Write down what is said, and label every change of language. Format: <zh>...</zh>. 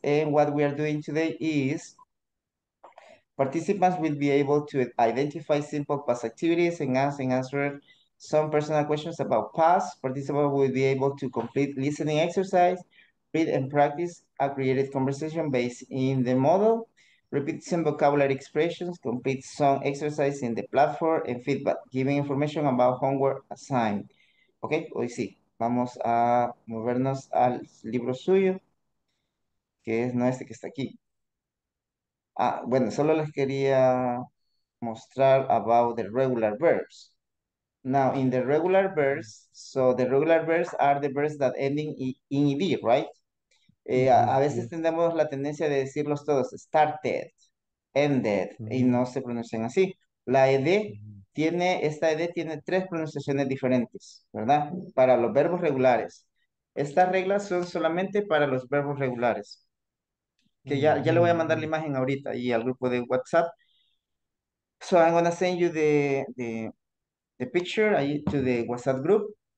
<en>And what we are doing today is participants will be able to identify simple past activities and ask and answer some personal questions about past. Participants will be able to complete listening exercise, read and practice a created conversation based in the model. Repeat some vocabulary expressions, complete some exercise in the platform, and feedback, giving information about homework assigned.</en> <es>Ok, hoy sí, vamos a movernos al libro suyo, que es no este que está aquí. Ah, bueno, solo les quería mostrar</es> <en>about the regular verbs. Now, in the regular verbs, so the regular verbs are the verbs that ending in ed, right?</en> <es>A veces tenemos la tendencia de decirlos todos, started, ended, y no se pronuncian así. La ed esta ED tiene tres pronunciaciones diferentes, ¿verdad? Para los verbos regulares. Estas reglas son solamente para los verbos regulares. Que ya le voy a mandar la imagen ahorita y al grupo de WhatsApp.</es> <en>So I'm going to send you the picture to the WhatsApp group.</en>